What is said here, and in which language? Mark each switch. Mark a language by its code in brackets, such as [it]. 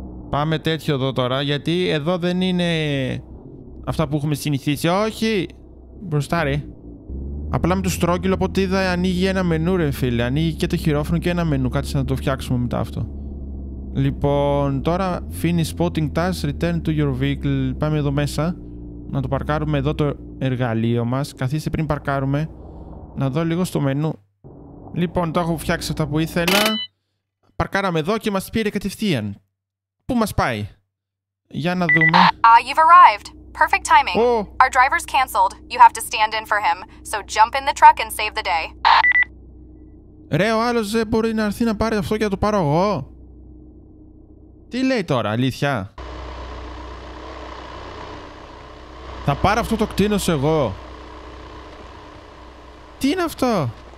[el] Πάμε τέτοιο εδώ τώρα, γιατί εδώ δεν είναι αυτά που έχουμε συνηθίσει. Όχι! Μπροστά ρε. Απλά με το στρόγγυλο από ό,τι είδα ανοίγει ένα μενού ρε φίλε. Ανοίγει και το χειρόφωνο και ένα μενού. Κάτσε να το φτιάξουμε μετά αυτό. Λοιπόν, τώρα [en] finish spotting task, return to your vehicle. [el] Πάμε εδώ μέσα. Να το παρκάρουμε εδώ το εργαλείο μας. Καθίστε πριν παρκάρουμε. Να δω λίγο στο μενού. Λοιπόν, το έχω φτιάξει αυτά που ήθελα. Παρκάραμε εδώ και μας πήρε κατευθείαν. Πού μας πάει? Για να δούμε. [en] You've arrived. Perfect timing. Our driver's canceled. You have to stand in for him. So jump in the truck and save the day. [el] Ρε, ο άλλος δεν μπορεί να έρθει να πάρει αυτό και να το πάρω εγώ. Τι λέει τώρα, αλήθεια? Θα πάρω αυτό το κτίνος εγώ. Τι είναι αυτό?